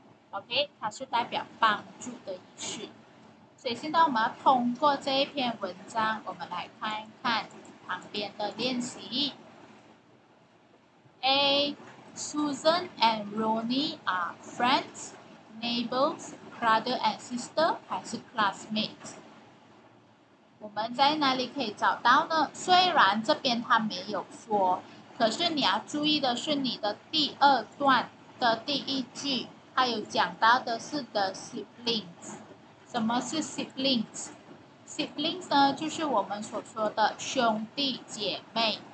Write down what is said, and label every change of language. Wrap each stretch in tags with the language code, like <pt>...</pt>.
<zh>OK， 它是代表帮助的意思。所以现在我们要通过这一篇文章，我们来看一看旁边的练习。 A.</zh> <en>Susan and Ronnie are friends, neighbors, brother and sister</en> <zh>还是</zh> <en>classmates？</en> <zh>我们在哪里可以找到呢？虽然这边它没有说，可是你要注意的是，你的第二段的第一句，它有讲到的是</zh> <en>the siblings。</en> <zh>什么是 siblings？ Siblings 呢，就是我们所说的兄弟姐妹。</zh>